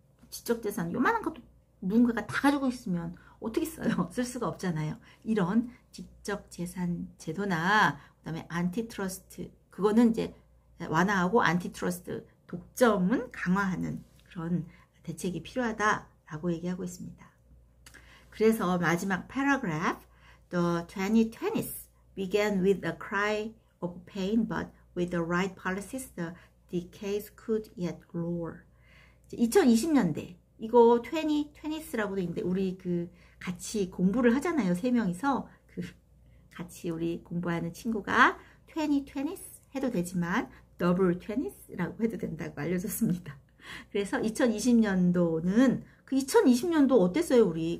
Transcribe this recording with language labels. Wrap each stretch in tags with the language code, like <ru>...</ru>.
<ko>지적재산, 요만한 것도 누군가가 다 가지고 있으면 어떻게 써요? 쓸 수가 없잖아요. 이런 지적재산 제도나, 그다음에 안티트러스트, 그거는 이제 완화하고 안티트러스트 독점은 강화하는 그런 대책이 필요하다라고 얘기하고 있습니다. 그래서 마지막</ko> <en>paragraph, The 2020s began with a cry of pain, but with the right policies, the decays could yet roar.</en> <ko>2020년대, 이거 2020s라고도 있는데, 우리 그 같이 공부를 하잖아요, 세 명이서. 그 같이 우리 공부하는 친구가 2020s 해도 되지만, double 20s라고 해도 된다고 알려줬습니다. 그래서 2020년도는, 그 2020년도 어땠어요, 우리?</ko>